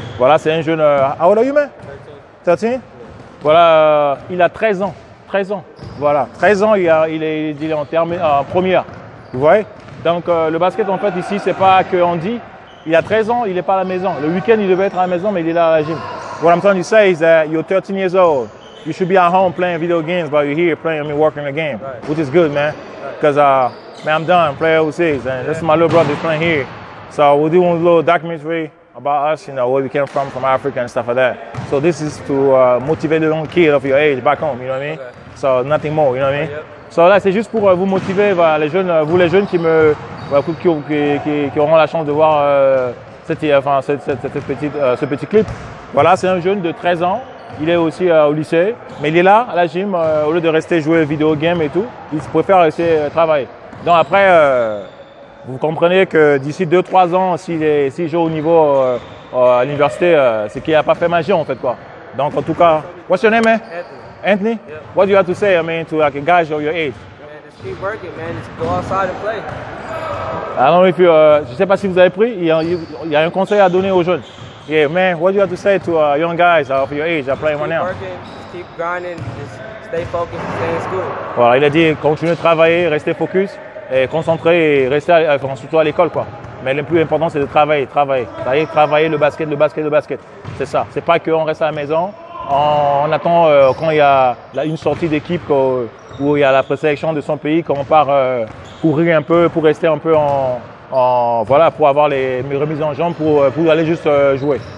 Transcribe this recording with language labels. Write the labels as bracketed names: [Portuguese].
[French] Voilà, c'est un jeune, [English] how old are you, man? 13. [French] 13? Voilà, il a 13 ans. 13 ans, voilà. 13 ans, il est en première. Vous voyez? Donc le basket, en fait, ici, c'est pas qu'on dit. Il a 13 ans, il n'est pas à la maison. Le week-end, il devait être à la maison, mais il est là à la gym. [English] What I'm trying to say is that you're 13 years old. You should be at home playing video games, but you're here playing, I mean, working the game, right, which is good, man. Because, right, man, I'm done playing overseas, and yeah, this is my little brother playing here. So we're doing a little documentary about us, you know, where we came from Africa and stuff like that. So this is to motivate the young kid of your age back home, you know what I mean? Okay. So nothing more, you know what I mean? Yep. [French] So là, c'est juste pour vous motiver, bah, les jeunes, vous les jeunes qui auront la chance de voir ce petit clip. Voilà, c'est un jeune de 13 ans, il est aussi au lycée, mais il est là, à la gym, au lieu de rester jouer vidéo game et tout, il préfère rester travailler. Donc après, vous comprenez que d'ici 2-3 ans, s'il joue au niveau à l'université, c'est qu'il n'a pas fait magie, en fait, quoi. Donc en tout cas, [English] what's your name, man? Anthony, yeah. What do you have to say, I mean, to like a guy of your age? Man, just keep working, man. Just go outside and play. I don't know if you, [French] je ne sais pas si vous avez pris, il y a un conseil à donner aux jeunes. [English] Yeah, man, what do you have to say to young guys of your age that are playing right now? Keep working, just keep grinding, just stay focused, stay in school. [French] Voilà, il a dit, continue de travailler, rester focus, et concentré, et rester surtout à l'école, quoi. Mais le plus important, c'est de travailler le basket. C'est ça, c'est pas qu'on reste à la maison. On attend quand il y a une sortie d'équipe où il y a la présélection de son pays, quand on part courir un peu pour rester un peu en voilà, pour avoir les remises en jambes pour aller juste jouer.